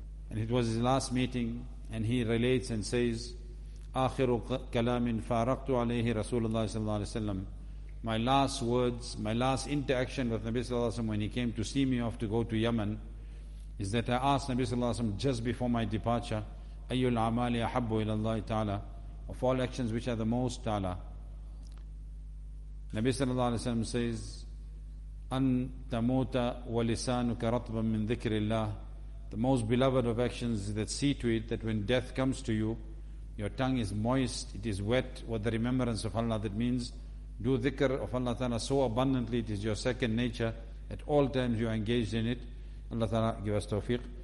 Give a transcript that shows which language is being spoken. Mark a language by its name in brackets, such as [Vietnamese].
[English] And it was his last meeting, and he relates and says, [Arabic] آخر كلام فارقت عليه رسول الله صلى الله عليه وسلم. [English] My last words, my last interaction with Nabi صلى الله عليه وسلم when he came to see me off to go to Yemen, is that I asked Nabi صلى الله عليه وسلم just before my departure, [Arabic] أي الأعمال أحب إلى الله تعالى, [English] of all actions which are the most تعالى. [Arabic] Nabi صلى الله عليه وسلم says, أن تموت ولسانك رطبا من ذكر الله. [English] The most beloved of actions is that see to it that when death comes to you, your tongue is moist, it is wet with the remembrance of Allah. That means do dhikr of Allah Ta'ala so abundantly, it is your second nature. At all times you are engaged in it. Allah Ta'ala give us tawfiq.